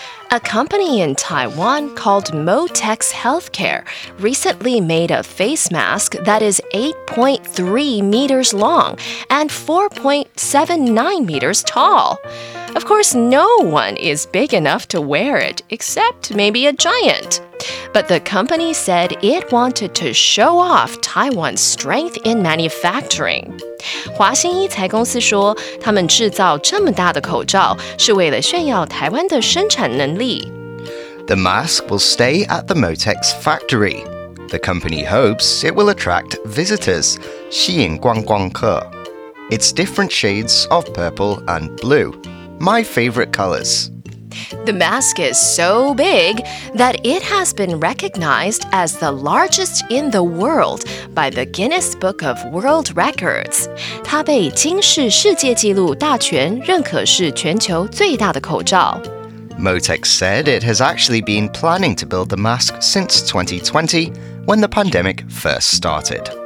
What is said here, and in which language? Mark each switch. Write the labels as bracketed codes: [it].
[en] A company in Taiwan called Motex Healthcare recently made a face mask that is 8.3 meters long and 4.79 meters tall. Of course, no one is big enough to wear it, except maybe a giant. But the company said it wanted to show off Taiwan's strength in manufacturing. [zh] 华新一财公司说，他们制造这么大的口罩是为了炫耀台湾的生产能力。 [en] The mask will stay at the Motex factory. The company hopes it will attract visitors, [zh] 吸引观光客。 [en] It's different shades of purple and blue, my favorite colors. The mask is so big that it has been recognized as the largest in the world by the Guinness Book of World Records. [zh] 它被金氏世界纪录大全认可是全球最大的口罩。 [en] Motex said it has actually been planning to build the mask since 2020, when the pandemic first started.